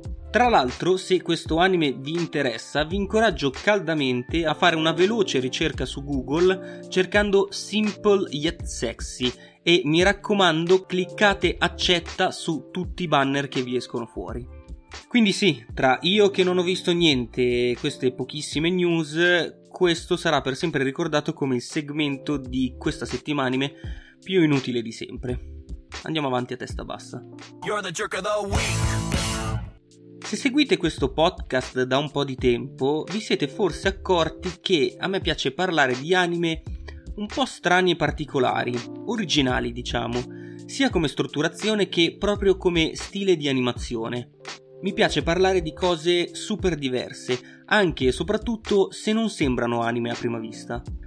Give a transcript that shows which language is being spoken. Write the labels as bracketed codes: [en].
[it] Tra l'altro, se questo anime vi interessa, vi incoraggio caldamente a fare una veloce ricerca su Google cercando Simple Yet Sexy e mi raccomando cliccate accetta su tutti i banner che vi escono fuori. Quindi sì, tra io che non ho visto niente e queste pochissime news, questo sarà per sempre ricordato come il segmento di questa settimana anime più inutile di sempre. Andiamo avanti a testa bassa. [en] You're the jerk of the week. [it] Se seguite questo podcast da un po' di tempo, vi siete forse accorti che a me piace parlare di anime un po' strani e particolari, originali diciamo, sia come strutturazione che proprio come stile di animazione. Mi piace parlare di cose super diverse, anche e soprattutto se non sembrano anime a prima vista.